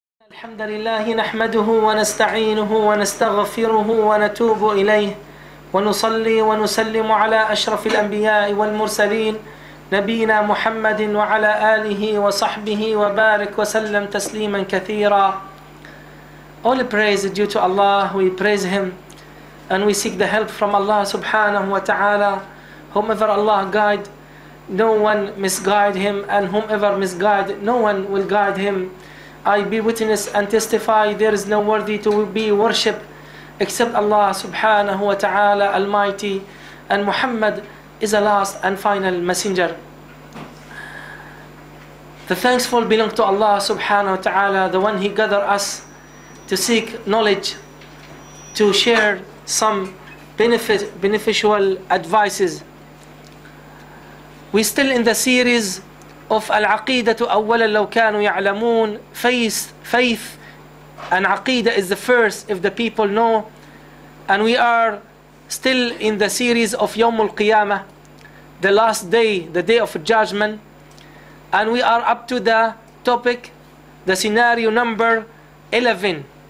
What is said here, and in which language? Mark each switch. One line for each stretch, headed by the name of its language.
Arabic: الحمد لله نحمده ونستعينه ونستغفره ونتوب إليه ونصلي ونسلم على أشرف الأنبياء والمرسلين نبينا محمد وعلى آله وصحبه وبارك وسلم تسليما كثيرا.
English: All praise due to Allah, we praise Him and we seek the help from Allah subhanahu wa ta'ala. Whomever Allah guide, no one misguide Him, and whomever misguide, no one will guide Him. I be witness and testify, there is no worthy to be worshipped except Allah subhanahu wa ta'ala almighty, and Muhammad is the last and final messenger. The thankful belong to Allah subhanahu wa ta'ala, the one He gathered us to seek knowledge, to share some beneficial advices. We still in the series of
Arabic: العقيدة أولا لو كانوا يعلمون.
English: Faith and عقيدة is the first if the people know. And we are still in the series of يوم القيامة, the last day, the day of judgment. And we are up to the topic, the scenario number 11.